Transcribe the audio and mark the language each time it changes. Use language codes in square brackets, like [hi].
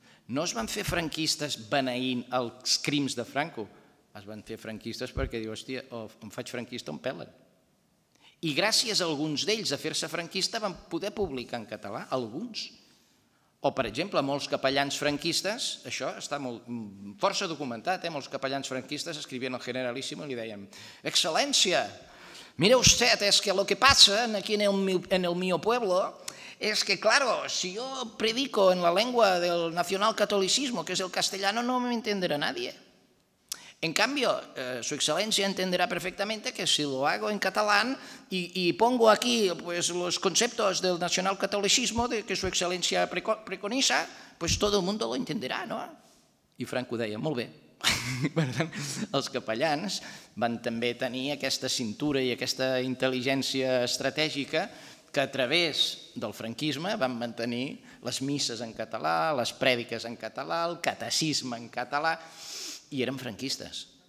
[ca] No es van fer franquistes beneint els crims de Franco, es van fer franquistes perquè diu, hòstia, o em faig franquista o em pelen. I gràcies a alguns d'ells a fer-se franquista van poder publicar en català, alguns. O, per exemple, molts capellans franquistes, això està molt, força documentat, molts capellans franquistes escrivien al Generalíssimo i li deien, excel·lència! [es] Mira usted, es que lo que pasa aquí en el mío pueblo es que, claro, si yo predico en la lengua del nacional catolicismo, que es el castellano, no me entenderá nadie. En cambio, su excelencia entenderá perfectamente que si lo hago en catalán y pongo aquí pues, los conceptos del nacional catolicismo de que su excelencia preconiza, pues todo el mundo lo entenderá, ¿no? [ca] Y Franco deia, molt bé. Per tant, els capellans van també tenir aquesta cintura i aquesta intel·ligència estratègica que a través del franquisme van mantenir les misses en català, les prèdiques en català, el catecisme en català, i eren franquistes.